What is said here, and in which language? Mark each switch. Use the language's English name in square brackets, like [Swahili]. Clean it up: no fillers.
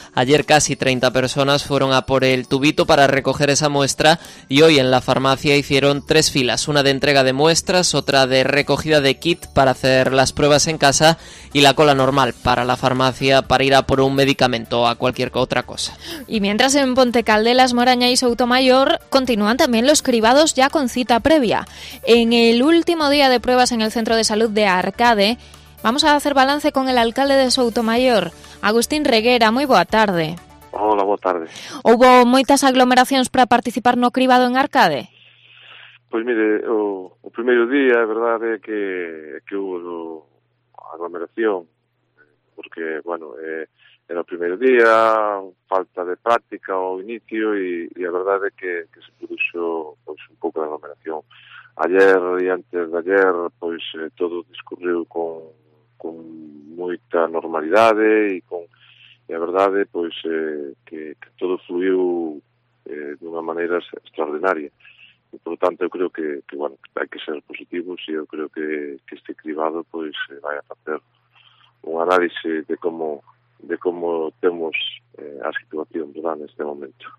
[Spanish] Ayer casi 30 personas fueron a por el tubito para recoger esa muestra y hoy en la farmacia hicieron tres filas, una de entrega de muestras, otra de recogida de kit para hacer las pruebas en casa y la cola normal para la farmacia para ir a por un medicamento o a cualquier otra cosa. Y mientras en Pontecalde, Las Morañas y Soutomayor continúan también los cribados ya con cita previa. En el último día de pruebas en el Centro de Salud de Arcade, vamos a hacer balance con el alcalde de Soutomayor, Agustín Reguera. [Galician] Muy boa tarde. Hola, boa tarde. ¿Hubo moitas aglomeracións para participar no cribado en Arcade? Pues mire, o primeiro día, é verdade, que hubo aglomeración, porque, bueno, era o primeiro día, falta de práctica ao inicio, e a verdade que se produxo pues, un pouco de aglomeración. [Spanish] Ayer y antes de ayer, pues todo discurrió con mucha normalidad y la verdad pues que todo fluyó de una manera extraordinaria. Y por lo tanto, yo creo que bueno, hay que ser positivos y yo creo que este cribado pues vaya a hacer un análisis de cómo tenemos [Galician] a situación dura neste momento.